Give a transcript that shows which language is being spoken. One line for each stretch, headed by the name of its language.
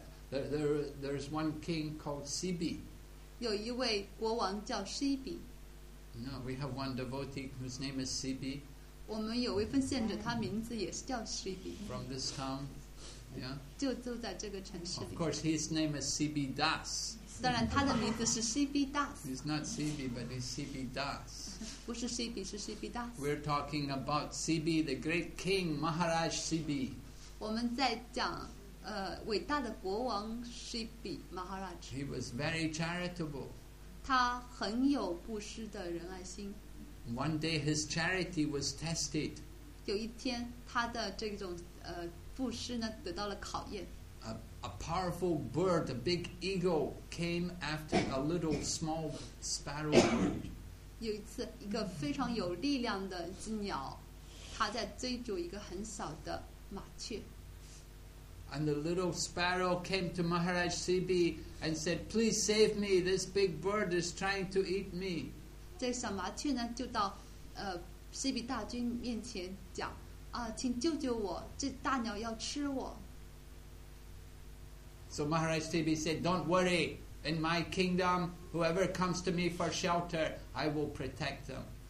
English: There's one king called Sibi.
Chinese: 有一位国王叫 Sibi.
English: No, we have one devotee whose name is Sibi.
Chinese: 我们有位奉献者，他名字也是叫 Sibi.
English: From this town, yeah.
Chinese: 就住在这个城市里。
English: Of course, his name is Sibi Das.
Chinese: 当然他的名字是 C.B. Das.
English: He's not C.B. but he's C.B. Das.
Chinese: 不是 C.B. 是 C.B. Das.
English: We're talking about C.B. the great king Maharaj C.B.
Chinese: 我们在讲伟大的国王 C.B.
English: Maharaj. He was very charitable.
Chinese: 他很有布施的仁爱心。
English: One day his charity was tested.
Chinese: 有一天他的这种布施呢得到了考验。
English: A powerful bird, a big eagle, came after a little small sparrow bird.
Chinese: 有一次，一个非常有力量的只鸟，它在追逐一个很小的麻雀。
English: And the little sparrow came to Maharaj Sibi and said, "Please save me! This big bird is trying to eat me."
Chinese: 这小麻雀呢，就到Sibi 大君面前讲啊，请救救我！这大鸟要吃我。
English: So Maharaj Sibi said, "Don't worry. In my kingdom, whoever comes to me for shelter, I will protect them."